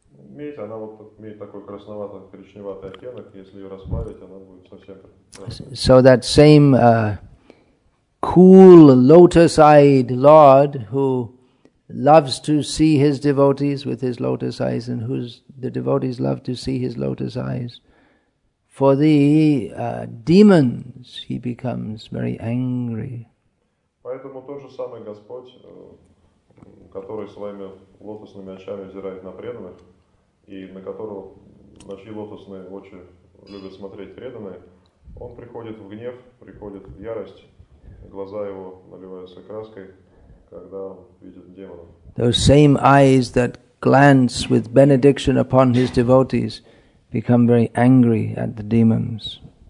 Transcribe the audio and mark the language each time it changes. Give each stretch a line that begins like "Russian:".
Russian: Медь, она вот имеет такой красновато-коричневатый оттенок. Если ее расплавить, она будет совсем.
English: So that same cool lotus-eyed Lord who loves to see his devotees with his lotus eyes, and whose the devotees love to see his lotus eyes. For the demons, he becomes very angry.
Russian: Поэтому тот же самый Господь, который своими лотосными очами взирает на преданных, и на которого, на чьи лотосные очи любят смотреть преданные, он приходит в гнев, приходит в ярость, глаза его наливаются краской, когда он видит демонов.
English: Those same eyes that glance with benediction upon his devotees become very angry at the demons.